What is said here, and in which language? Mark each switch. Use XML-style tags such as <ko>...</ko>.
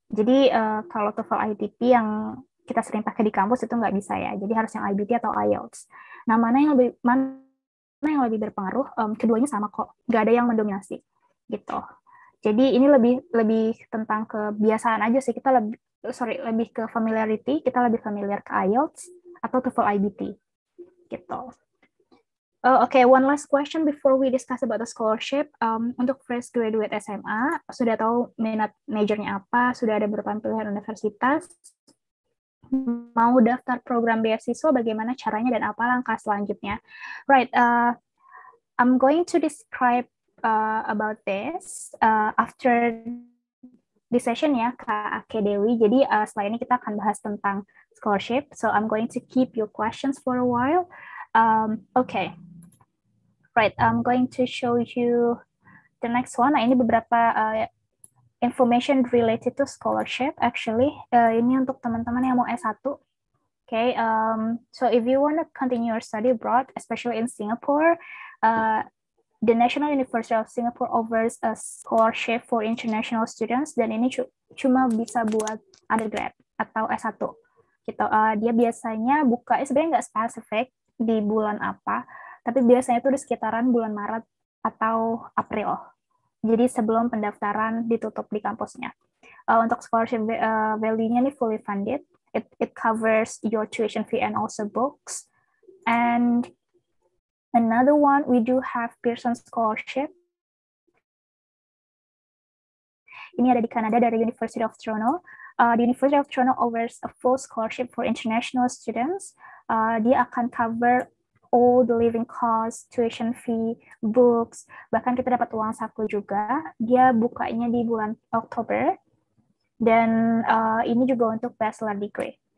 <id>Jadi kalau TOEFL ITP yang kita sering pakai di kampus itu nggak bisa ya. Jadi harus yang IBT atau IELTS. Nah, mana yang lebih, mana yang lebih berpengaruh, keduanya sama kok, nggak ada yang mendominasi gitu. Jadi ini lebih lebih tentang kebiasaan aja sih, kita lebih, sorry, lebih ke familiarity, kita lebih familiar ke IELTS atau TOEFL IBT gitu.</id> <en>Okay, one last question before we discuss about the scholarship.</en> <id>Untuk fresh graduate SMA, sudah tahu minat majornya apa, sudah ada beberapa pilihan universitas, mau daftar program beasiswa, bagaimana caranya dan apa langkah selanjutnya?</id> <en>Right, I'm going to describe about this after this session ya, Kak Dewi.</en> <id>Jadi setelah ini kita akan bahas tentang scholarship.</id> <en>So I'm going to keep your questions for a while. Okay. Right, I'm going to show you the next one.</en> <id>Nah, ini beberapa</id> <en>information related to scholarship, actually.</en> <id>Ini untuk teman-teman yang mau S1.</id> <en>Okay, so if you want to continue your study abroad, especially in Singapore, the National University of Singapore offers a scholarship for international students,</en> <id>dan ini cuma bisa buat undergrad atau S1. Gitu. Dia biasanya buka, sebenarnya nggak spesifik di bulan apa, tapi biasanya itu di sekitaran bulan Maret atau April. Jadi sebelum pendaftaran ditutup di kampusnya. Untuk scholarship value-nya ini fully funded.</id> <en>It covers your tuition fee and also books. And another one, we do have Pearson Scholarship.</en> <id>Ini ada di Kanada dari University of Toronto.</id> <en>The University of Toronto offers a full scholarship for international students.</en> <id>Dia akan cover</id> <en>all the living costs,</en> <id>tuition fee, books, bahkan kita dapat uang saku juga. Dia bukanya di bulan Oktober, dan ini juga untuk bachelor degree.</id>